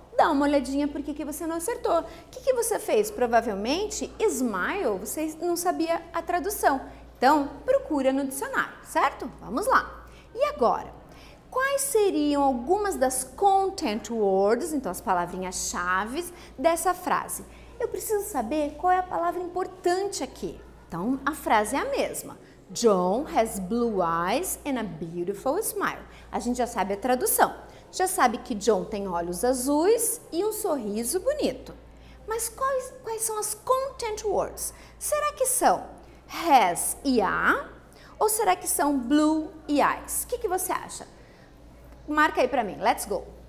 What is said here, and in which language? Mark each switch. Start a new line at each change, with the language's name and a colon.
Portuguese: Dá uma olhadinha por que você não acertou. O que você fez? Provavelmente, smile, você não sabia a tradução. Então, procura no dicionário, certo? Vamos lá. E agora, quais seriam algumas das content words, então as palavrinhas-chave dessa frase? Eu preciso saber qual é a palavra importante aqui. Então, a frase é a mesma.
English: John has blue eyes and a beautiful smile.
Portuguese: A gente já sabe a tradução. Já sabe que John tem olhos azuis e um sorriso bonito. Mas quais são as content words? Será que são has e a? Ou será que são blue e eyes? O que você acha? Marca aí pra mim.
English: Let's go!